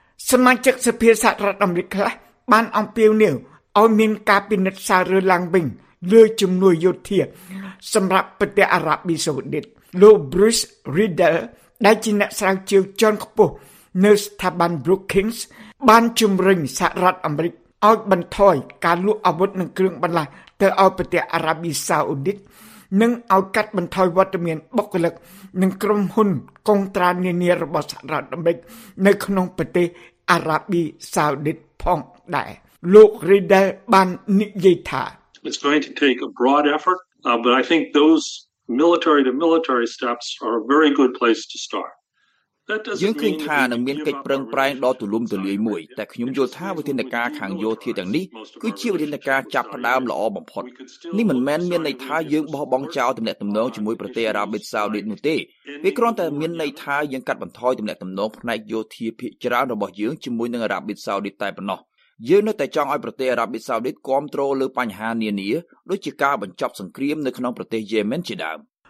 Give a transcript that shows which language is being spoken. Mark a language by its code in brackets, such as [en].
[km] សមាជិកសភាសហរដ្ឋអាមេរិកខ្លះបានអំពាវនាវឲ្យមានការពិនិត្យសាររើឡើងវិញលើជំនួយយោធាសម្រាប់ប្រទេសអារ៉ាប៊ីសាអូឌីតលោក Bruce Riddleដែលជាអ្នកស្រាវជ្រាវជាន់ខ្ពស់នៅស្ថាប័ន Brookings បានជំរុញសហរដ្ឋអាមេរិកឲ្យបន្ថយការលក់អាវុធនិងគ្រឿងបន្លាស់ទៅឲ្យប្រទេសអារ៉ាប៊ីសាអូឌីត និងឲ្យកាត់បន្ថយវត្តមានបុគ្គលិកនិងក្រុមហ៊ុនកុងត្រានានារបស់សហរដ្ឋអាមេរិកនៅក្នុងប្រទេសអារ៉ាប៊ីសាអូឌីតផងដែរលោក Riddle បាននិយាយថា [en] It's going to take a broad effort but I think thoseMilitary to military steps are a very good place to start. That doesn't mean that [km] ថានឹងមានកិច្ចប្រឹងប្រែងដ៏ទូលំទូលាយមួយតែខ្ញុំយល់ថាវិធានការខាងយោធាទាំងនេះគឺជាវិធានការចាប់ផ្ដើមល្អបំផុតនេះមិនមែនមានន័យថាយើងបោះបង់ចោលទំនាក់ទំនងជាមួយប្រទេសអារ៉ាប៊ីសាអូឌីតនោះទេវាគ្រាន់តែមានន័យថាយើងកាត់បន្ថយទំនាក់ទំនងផ្នែកយោធាភាគច្រើនរបស់យើងជាមួយនឹងអារ៉ាប៊ីសាអូឌីតតែប៉ុណ្ណោះយើងនៅតែចង់ឲ្យប្រទេសអារ៉ាប៊ីសាអូឌីតគ្រប់គ្រងលើបញ្ហានានាដូចជាការបញ្ចប់សង្គ្រាមនៅក្នុងប្រទេសយេម៉ែនជាដើម